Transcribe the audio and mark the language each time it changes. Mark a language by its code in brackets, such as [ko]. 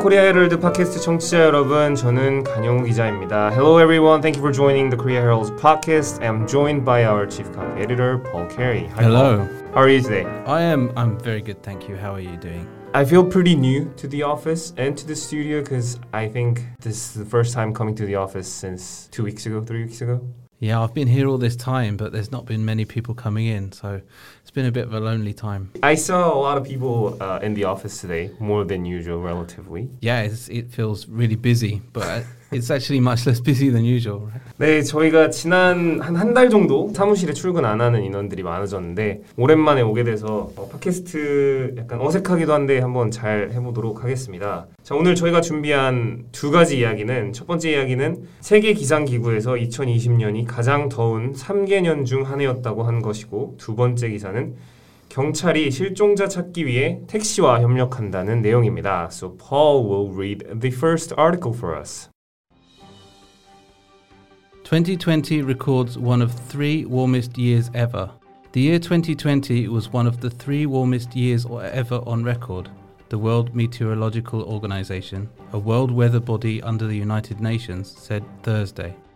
[ko] 코리아 헤럴드 팟캐스트 청취자 여러분, 저는 강영우 기자입니다. [en] Hello everyone. Thank you for joining the Korea Herald podcast. I'm joined by our chief copy editor Paul Carey. Hi, Hello. Paul. How are you today? I'm very good. Thank you. How are you doing? I feel pretty new to the office and to the studio because I think this is the first time coming to the office since 2 weeks ago, 3 weeks ago. Yeah, I've been here all this time, but there's not been many people coming in, so it's been a bit of a lonely time. I saw a lot of people in the office today, more than usual, relatively. Yeah, it feels really busy, but it's actually much less busy than usual, right? [ko] 네, 저희가 지난 한 달 정도 사무실에 출근 안 하는 인원들이 많아졌는데 오랜만에 오게 돼서 팟캐스트 약간 어색하기도 한데 한번 잘 해보도록 하겠습니다. 자, 오늘 저희가 준비한 두 가지 이야기는 첫 번째 이야기는 세계기상기구에서 2020년이 가장 더운 3개년 중 한 해였다고 한 것이고 두 번째 기사는 경찰이 실종자 찾기 위해 택시와 협력한다는 내용입니다. [en] So Paul will read the first article for us. 2020 records one of three warmest years ever. The year 2020 was one of the three warmest years ever on record. The World Meteorological Organization, a world weather body under the United Nations, said Thursday.